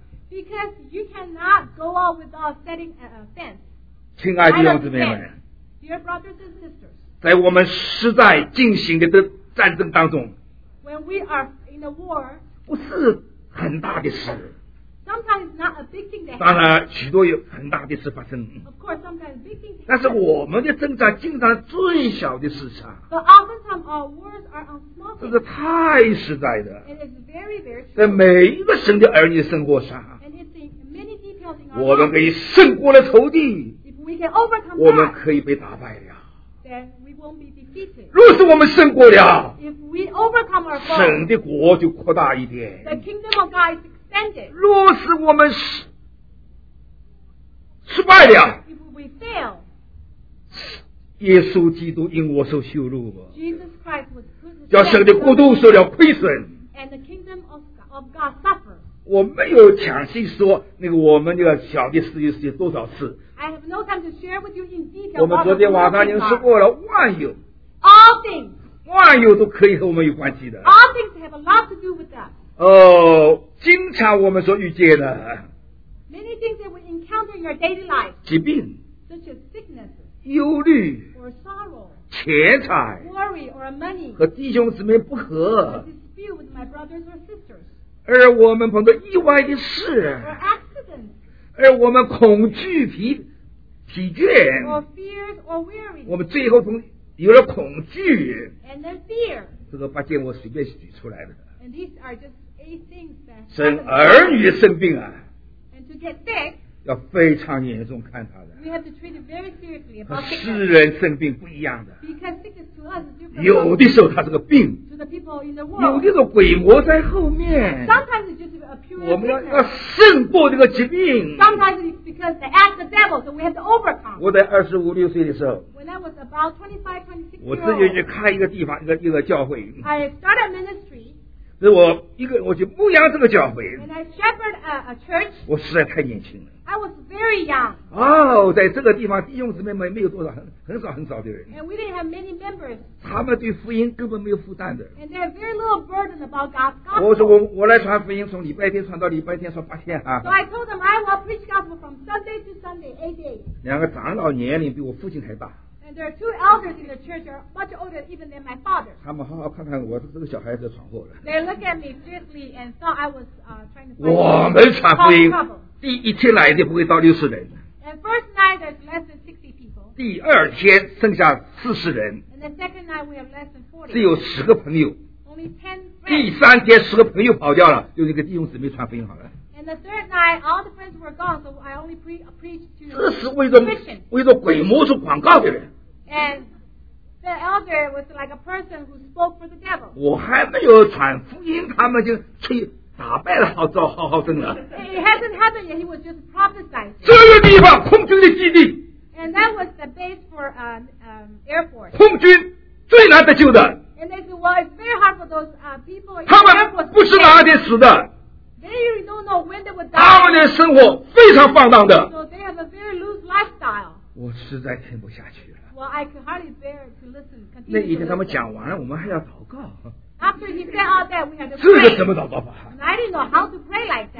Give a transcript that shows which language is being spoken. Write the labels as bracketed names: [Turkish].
[English] Because you cannot go out without setting a fence. [Chinese] 亲爱的弟兄姊妹们 [English] ，Dear brothers and sisters， [Chinese] 在我们实在进行的战争当中 [English] ，When we are in a war， [Chinese] 不是很大的事。 [English] Sometimes not a big thing. [Chinese] 当然，许多有很大的事发生。 [English] Of course, sometimes big things. [Chinese] 但是我们的征战经常最小的事情。 [English] But oftentimes our wars are on small things. [Chinese] 这是太实在的。 [English] It is very, very true. [Chinese] 在每一个神的儿女生活上。 [English] And it's in many details in our lives. [Chinese] 我们可以胜过了仇敌。 [English] If we can overcome that, [Chinese] 我们可以被打败了。 [English] Then we won't be defeated. [Chinese] 若是我们胜过了， [English] if we overcome our foes, [Chinese] 神的国就扩大一点。 [English] The kingdom of God. [Chinese] 若是我们失败了 [English] if we fail, [Chinese] 耶稣基督因我受羞辱 [English] Jesus Christ was crucified, [Chinese] 叫神的国度受了亏损 [English] and the kingdom of God suffered. [Chinese] 我没有详细说那个我们这个小的事情多少次 [English] I have no time to share with you in detail [Chinese] 我们昨天晚上已经说过了万有 [English] all things, [Chinese] 万有都可以和我们有关系的 [English] all things have a lot to do with us [Chinese] 哦，经常我们所遇见的 [English] ，many things that we encounter in your daily life， [Chinese] 疾病 [English] ，such as sickness， [Chinese] 忧虑 [English] ，or sorrow， [Chinese] 钱财 [English] ，worry or money， [Chinese] 和弟兄姊妹不和 [English] ，a dispute with my brothers or sisters， [Chinese] 而我们碰到意外的事 [English] ，or accidents， [Chinese] 而我们恐惧疲倦 [English] ，or fears or weary， [Chinese] 我们最后从有了恐惧 [English] ，and then fear， [Chinese] 这个八件我随便举出来的。 [English] And these are just eight things that [Chinese] 生儿女生病啊 [English] ，and to get sick， [Chinese] 要非常严重看他的。 [English] We have to treat it very seriously about sickness. [Chinese] 世人生病不一样的。 [English] Because sickness to us is different. [Chinese] 有的时候他是个病。 [English] To the people in the world. [Chinese] 有的时候鬼魔在后面。 [English] Sometimes it's just a pure. [Chinese] 我们要胜过这个疾病。 [English] Sometimes it's because they ask the devil, so we have to overcome. [Chinese] 我在25、26岁的时候。 [English] When I was about 25, 26 years old. [Chinese] 我自己去开一个地方，一个教会。 [English] I started ministry. [Chinese] 所以我一个我就牧养这个教会 [English] and I shepherd a church, [Chinese] 我实在太年轻了 [English] I was very young [Chinese] 哦、oh, 在这个地方弟兄姊妹们没有多少很少很少的人 [English] and we didn't have many members [Chinese] 他们对福音根本没有负担的 [English] and they have very little burden about God's gospel [Chinese] 我说我来传福音从礼拜天传到礼拜天说八天、啊、 [English] so I told them I will preach gospel from Sunday to Sunday 8 days [Chinese] 两个长老年龄比我父亲还大 [English] and there are two elders in the church are much older even than my father [Chinese] 他们好好看看我这个小孩子闯祸了 [English] they look at me seriously and thought I was trying to find [Chinese] 我们传福音第一天来的不会到六十人 [English] and first night there's less than 60 people [Chinese] 第二天剩下四十人 [English] and the second night we have less than 40 [Chinese] 只有十个朋友 [English] only 10 friends [Chinese] 第三天十个朋友跑掉了就一个弟兄姊妹传福音好了 [English] And the third night, all the friends were gone, so I only preached to Christians. [Chinese] 这是为着鬼魔做广告的人。 [English] And the elder was like a person who spoke for the devil. [Chinese] 我还没有传福音，他们就去打败了号召号声了。 [English] It hasn't happened yet. He was just prophesying. [Chinese] 这个地方空军的基地。 [English] And that was the base for air force. [Chinese] 空军最难得救的。 [English] And they said, well, it's very hard for those people. [Chinese] 他们不是哪天死的。 [English] They don't know when they would die. [Chinese] 他们的生活非常放荡的。 [English] So they have a very loose lifestyle. [Chinese] 我实在听不下去了。 [English] Well, I could hardly bear to listen. Continue. [Chinese] 那一天他们讲完了，我们还要祷告。 [English] After he said all that, we had to pray. [Chinese] 这个怎么祷告法 [English] ？I didn't know how to pray like that.